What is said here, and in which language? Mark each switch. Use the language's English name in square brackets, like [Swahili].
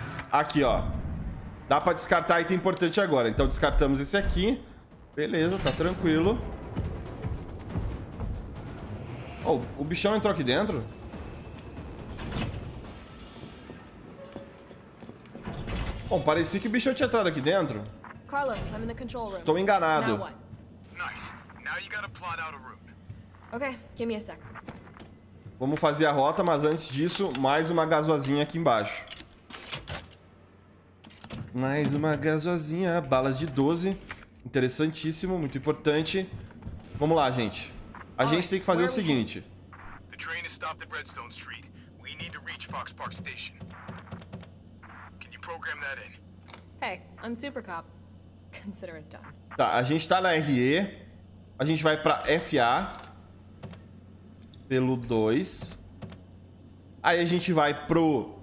[Portuguese] Aqui, ó. Dá pra descartar item importante agora. Então descartamos esse aqui. Beleza, tá tranquilo. Oh, o bichão entrou aqui dentro? Bom, parecia que o bichão tinha entrado aqui dentro. [English] Carlos, I'm in the control room. [Portuguese] Estou enganado. [English] Nice. Now you gotta plot out a route. Okay, give me a sec. [Portuguese] Vamos fazer a rota, mas antes disso, mais uma gasozinha aqui embaixo. Mais uma gasozinha, balas de 12. Interessantíssimo, muito importante. Vamos lá, gente. A gente tem que fazer o seguinte. [English] The train has stopped at Redstone Street. We need to reach Fox Park Station. Can you program that in? Hey, I'm Supercop. Consider it done. [Portuguese] Tá, a gente tá na RE. A gente vai pra FA. Pelo 2. Aí a gente vai pro...